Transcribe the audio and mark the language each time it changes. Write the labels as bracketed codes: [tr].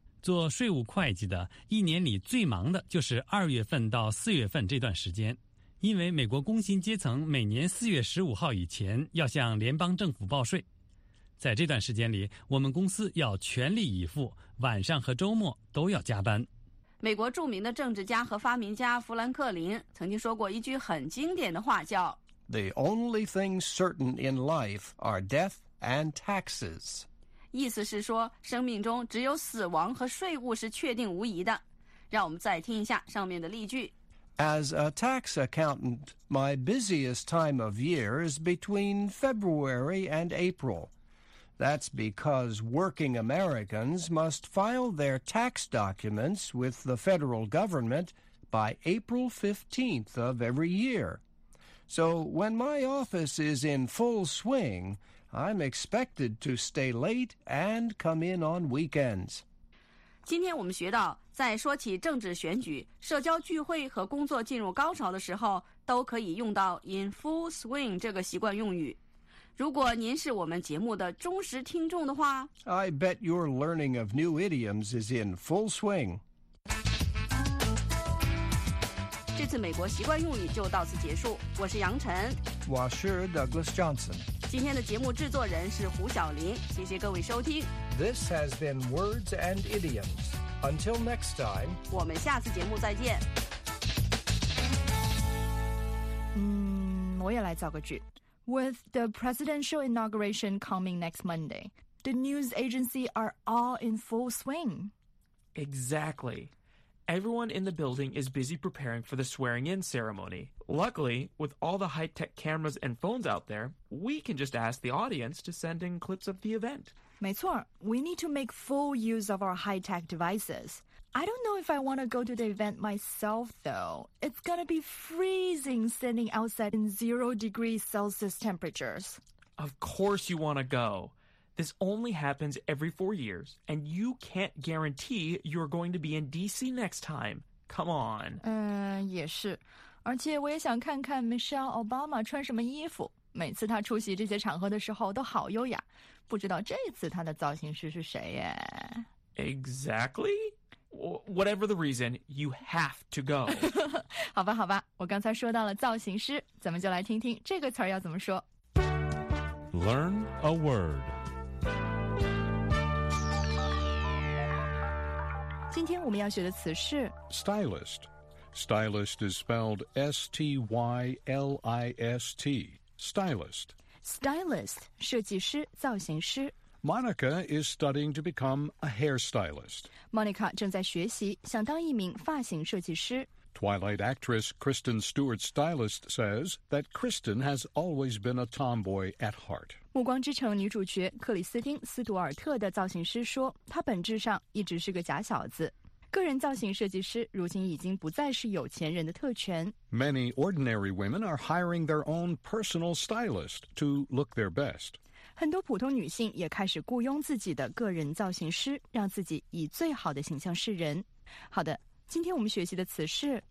[zh] 做税务会计的一年里最忙的就是二月份到四月份这段时间，因为美国工薪阶层每年四月十五号以前要向联邦政府报税。在这段时间里，我们公司要全力以赴，晚上和周末都要加班。美国著名的政治家和发明家富兰克林曾经说过一句很经典的话，叫 [en] The only things certain in life are death and taxes. [zh] 意思是说，生命中只有死亡和税务是确定无疑的。让我们再听一下上面的例句。 [en] As a tax accountant, my busiest time of year is between February and April. That's because working Americans must file their tax documents with the federal government by April 15th of every year. So when my office is in full swing,I'm expected to stay late and come in on weekends. [zh] 今天我们学到，在说起政治选举、社交聚会和工作进入高潮的时候，都可以用到 in full swing 这个习惯用语。如果您是我们节目的忠实听众的话， [en] I bet your learning of new idioms is in full swing. [zh] 这次美国习惯用语就到此结束。我是杨晨，我是 Douglas Johnson。今天的节目制作人是胡晓林，谢谢各位收听。 [en] This has been Words and Idioms. Until next time. [zh] 我们下次节目再见。我也来造个句。 [en] With the presidential inauguration coming next Monday, the news agency are all in full swing. Exactly. Everyone in the building is busy preparing for the swearing-in ceremony. Luckily, with all the high-tech cameras and phones out there, we can just ask the audience to send in clips of the event. [zh] 没错 [en] we need to make full use of our high-tech devices. I don't know if I want to go to the event myself, though. It's going to be freezing standing outside in 0°C temperatures. Of course you want to go. This only happens every 4 years, and you can't guarantee you're going to be in D.C. next time. Come on. [zh] 也是。而且我也想看看 Michelle Obama 穿什么衣服，每次她出席这些场合的时候都好优雅，不知道这次她的造型师是谁耶。 [en] Exactly? Whatever the reason, you have to go. [zh] 好吧好吧，我刚才说到了造型师，咱们就来听听这个词要怎么说。 [en] Learn a word. [zh] 今天我们要学的词是 [en] Stylist. Stylist is spelled S-T-Y-L-I-S-T, stylist. [zh] Stylist, 设计师、造型师。 [en] Monica is studying to become a hairstylist. [zh] Monica 正在学习，想当一名发型设计师。 [en] Twilight actress Kristen Stewart's stylist says that Kristen has always been a tomboy at heart. [zh] 暮光之城女主角克里斯汀·斯图尔特的造型师说，她本质上一直是个假小子。个人造型设计师如今已经不再是有钱人的特权。 [en] Many ordinary women are hiring their own personal stylist to look their best. [zh] 很多普通女性也开始雇佣自己的个人造型师，让自己以最好的形象示人。好的，今天我们学习的词是